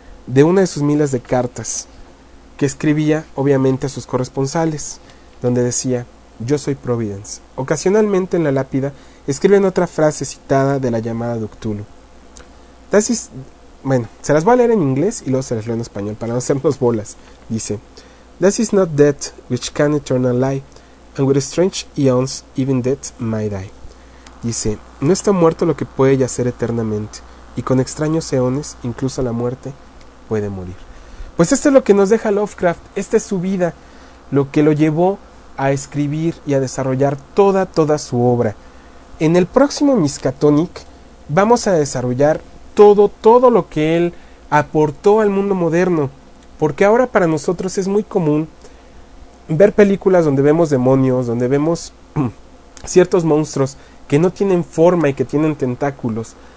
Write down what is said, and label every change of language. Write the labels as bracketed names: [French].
[Spanish] de una de sus miles de cartas que escribía, obviamente, a sus corresponsales, donde decía: "Yo soy Providence". Ocasionalmente en la lápida escriben otra frase citada de la llamada de Cthulhu. Bueno, se las voy a leer en inglés y luego se las leo en español para no hacernos bolas. [English] Dice: "This is not death which can eternal lie, and with strange eons even death may die". [Spanish] Dice: "No está muerto lo que puede yacer eternamente, y con extraños eones incluso la muerte puede morir". Pues esto es lo que nos deja Lovecraft, esta es su vida, lo que lo llevó a escribir y a desarrollar toda su obra. En el próximo Miskatonic vamos a desarrollar todo lo que él aportó al mundo moderno, porque ahora para nosotros es muy común ver películas donde vemos demonios, donde vemos ciertos monstruos que no tienen forma y que tienen tentáculos.